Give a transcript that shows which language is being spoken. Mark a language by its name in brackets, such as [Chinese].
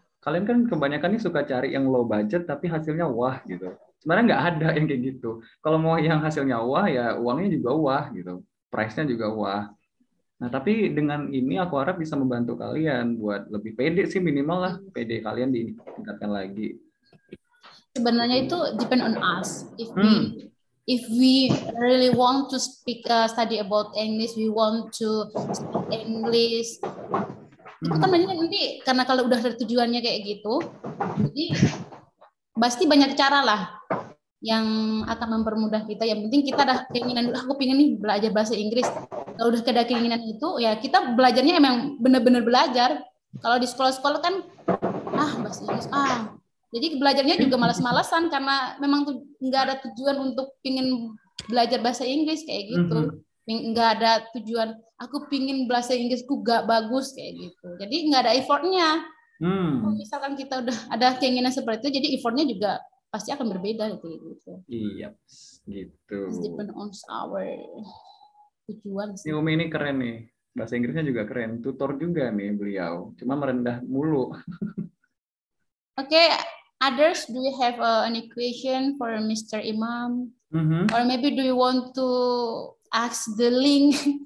[Indonesian] Kalian kan kebanyakan nih suka cari yang low budget, tapi hasilnya wah gitu. Sebenarnya nggak ada yang kayak gitu. Kalau mau yang hasilnya wah, ya uangnya juga wah gitu. Price-nya juga wah. Nah, tapi dengan ini aku harap bisa membantu kalian buat lebih pede sih, minimal lah pede kalian ditingkatkan lagi. Sebenarnya itu [English] depend on us. If we really want to speak study about English, we want to speak English. [Indonesian] Itu kan banyak nanti, karena kalau udah ada tujuannya kayak gitu, jadi pasti banyak cara lah yang akan mempermudah kita. Yang penting kita ada keinginan, aku pengen nih belajar bahasa Inggris. Kalau udah ada keinginan itu, ya kita belajarnya emang benar-benar belajar. Kalau di sekolah-sekolah kan, bahasa Inggris, Jadi belajarnya juga malas-malasan karena memang nggak ada tujuan untuk pingin belajar bahasa Inggris kayak gitu. Nggak ada tujuan, aku pingin bahasa Inggrisku gak bagus kayak gitu. Jadi nggak ada effortnya. Kalau misalkan kita udah ada keinginan seperti itu, jadi effortnya juga pasti akan berbeda gitu. Iya, yep, gitu. [English] It's depend on our tujuan. [Indonesian] Si Umi ini keren nih. Bahasa Inggrisnya juga keren. Tutor juga nih beliau. Cuma merendah mulu. [English] Oke, okay, others, do you have an equation for Mr. Imam? Or maybe do you want to ask the link?